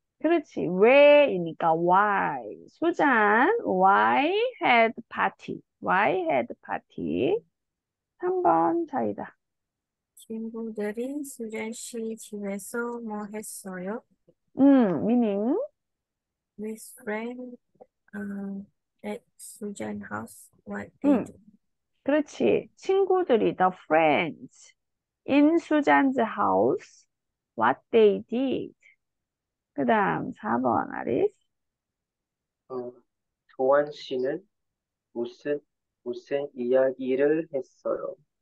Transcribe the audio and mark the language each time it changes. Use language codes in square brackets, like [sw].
[ko] 그렇지, 왜이니까 [en] why. 수잔, why had party? Why had party? [ko] 3번 차이다. 친구들이 수잔 씨 집에서 뭐 했어요? [en] meaning? With friend at 수잔 house, what they do? [ko] 그렇지. 친구들이, [en] the friends in Suzanne's house, what they did. [ko] 그 다음, 4번, 아리스. 조한 씨는 무슨 이야기를 했어요?